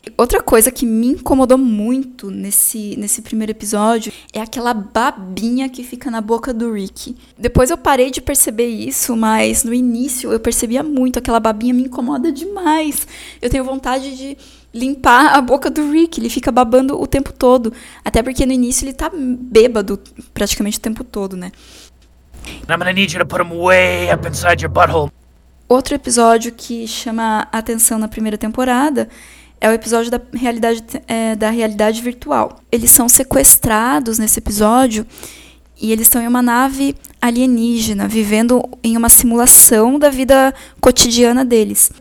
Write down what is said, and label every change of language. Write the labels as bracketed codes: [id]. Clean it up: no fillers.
[pt] Outra coisa que me incomodou muito nesse primeiro episódio é aquela babinha que fica na boca do Rick. Depois eu parei de perceber isso, mas no início eu percebia muito. Aquela babinha me incomoda demais. Eu tenho vontade de limpar a boca do Rick. Ele fica babando o tempo todo. Até porque no início ele tá bêbado praticamente o tempo todo, né? [en] I'm gonna need you to put him way up inside your butthole. [pt] Outro episódio que chama atenção na primeira temporada é o episódio da realidade virtual. Eles são sequestrados nesse episódio e eles estão em uma nave alienígena, vivendo em uma simulação da vida cotidiana deles.